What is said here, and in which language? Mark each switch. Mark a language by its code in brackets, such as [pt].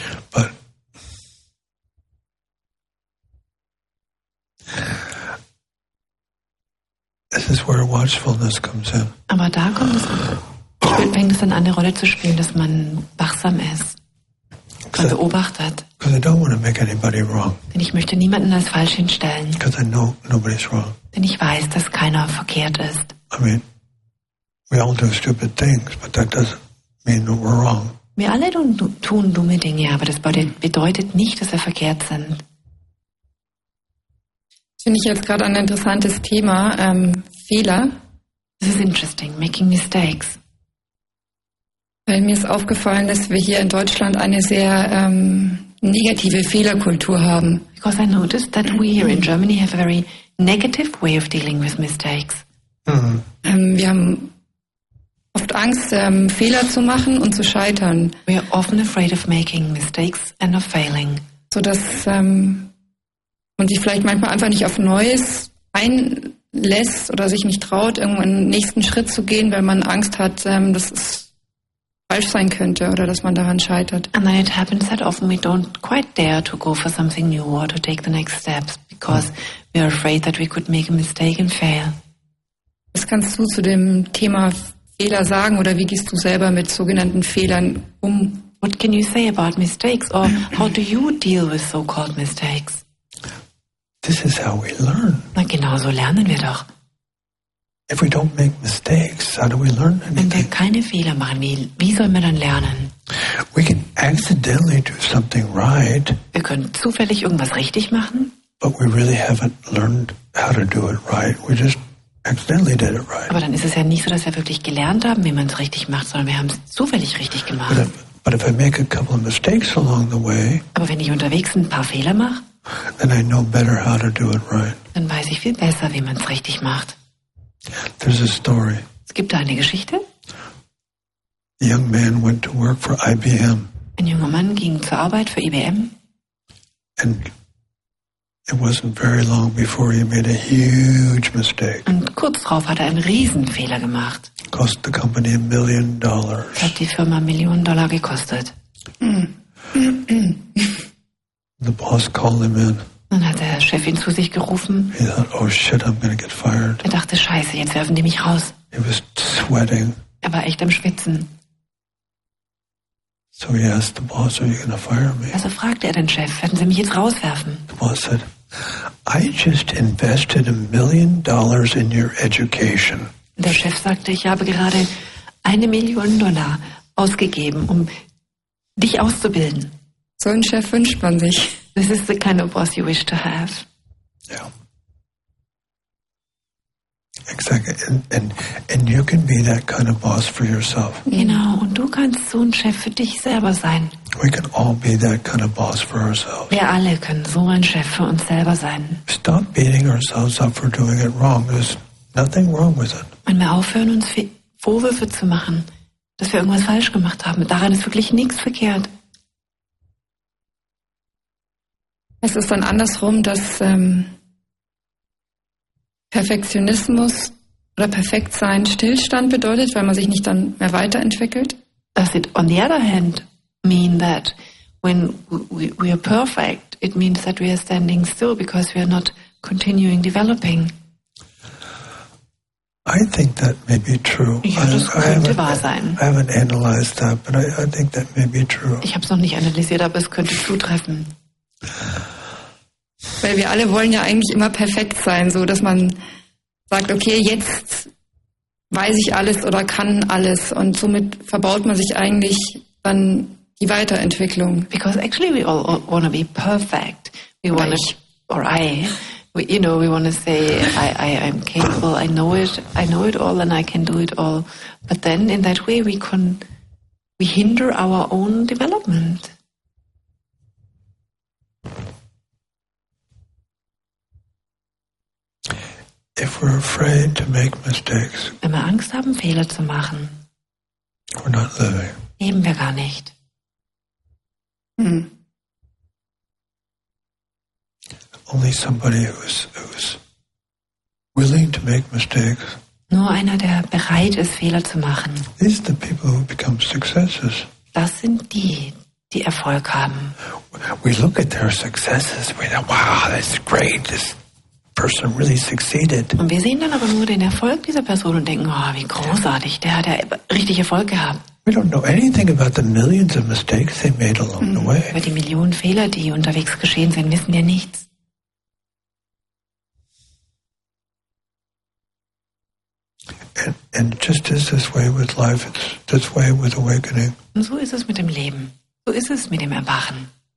[en] But this is where watchfulness comes in. [de] Aber da kommt es dann an, eine Rolle zu spielen, dass man wachsam ist, man beobachtet. [en] Because I don't want to make anybody wrong. [de] Denn ich möchte niemanden als falsch hinstellen. [en] Because I know nobody's wrong. [de] Denn ich weiß, dass keiner verkehrt ist. [en] I mean, we all do stupid things, but that doesn't mean that we're wrong. [de] Wir alle tun dumme Dinge, aber das bedeutet nicht, dass wir verkehrt sind. Finde ich jetzt gerade ein interessantes Thema, Fehler. [en] This is interesting, making mistakes. [de] Weil mir ist aufgefallen, dass wir hier in Deutschland eine sehr negative Fehlerkultur haben. [en] Because I noticed that we here in Germany have a very negative way of dealing with mistakes. Mm-hmm. [de] Wir haben oft Angst, Fehler zu machen und zu scheitern. [en] We are often afraid of making mistakes and of failing. [de] So dass man sich vielleicht manchmal einfach nicht auf Neues einlässt oder sich nicht traut, irgendwo einen nächsten Schritt zu gehen, weil man Angst hat, dass es falsch sein könnte oder dass man daran scheitert. [en] And then it happens that often we don't quite dare to go for something new or to take the next steps because we are afraid that we could make a mistake and fail. [de] Was kannst du zu dem Thema Fehler sagen oder wie gehst du selber mit sogenannten Fehlern um? [en] What can you say about mistakes or how do you deal with so-called mistakes? This is how we learn. [de] Na genau so lernen wir doch. [en] If we don't make mistakes, how do we learn anything? [de] Wenn wir keine Fehler machen, wie soll man dann lernen? [en] We can accidentally do something right. [de] Wir können zufällig irgendwas richtig machen. [en] But we really haven't learned how to do it right. We just accidentally did it right. [de] Aber dann ist es ja nicht so, dass wir wirklich gelernt haben, wie man es richtig macht, sondern wir haben es zufällig richtig gemacht. [en] But if I make a couple of mistakes along the way. [de] Aber wenn ich unterwegs ein paar Fehler mache, [en] then I know better how to do it right. [de] Dann weiß ich viel besser, wie man es richtig macht. [en] There's a story. [de] Es gibt da eine Geschichte. [en] A young man went to work for IBM. [de] Ein junger Mann ging zur Arbeit für IBM. [en] And it wasn't very long before he made a huge mistake. [de] Und kurz darauf hat er einen Riesenfehler gemacht. [en] Cost the company $1 million. [de] Hat die Firma $1 million gekostet. [en] The boss called him in. [de] Dann hat der Chef ihn zu sich gerufen. [en] He thought, oh shit, I'm gonna get fired. [de] Er dachte, scheiße, jetzt werfen die mich raus. [en] He was sweating. [de] Er war echt am Schwitzen. [en] So he asked the boss, are you gonna fire me? [de] Also fragte er den Chef, werden sie mich jetzt rauswerfen? [en] The boss said, I just invested $1 million in your education. [de] Der Chef sagte, ich habe gerade $1 million ausgegeben, um dich auszubilden. So einen Chef wünscht man sich. [en] This is the kind of boss you wish to have. Yeah. Exactly. And you can be that kind of boss for yourself. [de] Genau, und du kannst so ein Chef für dich selber sein. [en] We can all be that kind of boss for ourselves. [de] Wir alle können so ein Chef für uns selber sein. [en] Stop beating ourselves up for doing it wrong. There's nothing wrong with it. [de] Wenn wir aufhören, uns Vorwürfe zu machen, dass wir irgendwas falsch gemacht haben, daran ist wirklich nichts verkehrt. Es ist dann andersrum, dass Perfektionismus oder perfekt sein Stillstand bedeutet, weil man sich nicht dann mehr weiterentwickelt. [en] Does it on the other hand mean that when we are perfect, it means that we are standing still because we are not continuing developing? I think that may be true. [de] Ja, das könnte wahr sein. [en] I haven't analyzed that, but I think that may be true. [de] Ich habe es noch nicht analysiert, aber es könnte zutreffen. Weil wir alle wollen ja eigentlich immer perfekt sein, so dass man sagt, okay, jetzt weiß ich alles oder kann alles und somit verbaut man sich eigentlich dann die Weiterentwicklung. [en] Because actually we all want to be perfect. We want to, or I, we, you know, we want to say I'm capable, I know it all and I can do it all. But then in that way we hinder our own development. If we're afraid to make mistakes, [de] wenn wir Angst haben, Fehler zu machen, [en] we're not living. [de] Leben wir gar nicht. [en] Only somebody who's willing to make mistakes. [de] Nur einer, der bereit ist, Fehler zu machen. [en] These are the people who become successes. [de] Das sind die, die Erfolg haben. [en] We look at their successes. We think, wow, that's great. This person really succeeded. [de] Und wir sehen dann aber nur den Erfolg dieser Person und denken, oh, wie großartig, der hat ja richtig Erfolg gehabt. [en] We don't know anything about the millions of mistakes they made along the way. [de] Über die Millionen Fehler, die unterwegs geschehen sind, wissen wir nichts. [en] And just is this way with life. It's this way with awakening. [de] Und so ist es mit dem Leben. So ist es mit dem Erwachen.